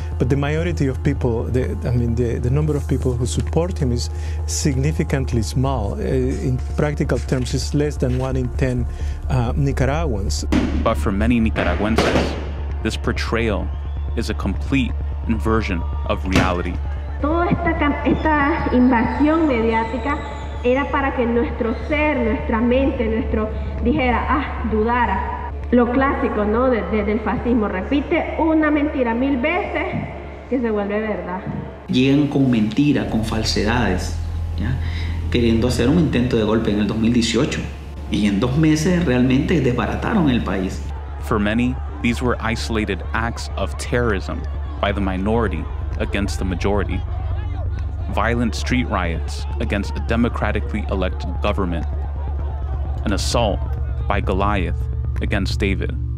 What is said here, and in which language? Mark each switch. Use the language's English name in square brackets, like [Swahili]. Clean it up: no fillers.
[English] But the majority of people, the number of people who support him is significantly small. In practical terms, it's less than 1 in 10 Nicaraguans. But for many Nicaraguenses, this portrayal is a complete inversion of reality. [Spanish] Toda esta invasión mediática era para que nuestro ser, nuestra mente, nuestro dijera, dudara. Lo clásico, ¿no? Del fascismo. Repite una mentira mil veces que se vuelve verdad. Llegan con mentira, con falsedades, ¿ya? Queriendo hacer un intento de golpe en el 2018. Y en dos meses realmente desbarataron el país. [English] For many, these were isolated acts of terrorism by the minority against the majority. Violent street riots against a democratically elected government. An assault by Goliath against David.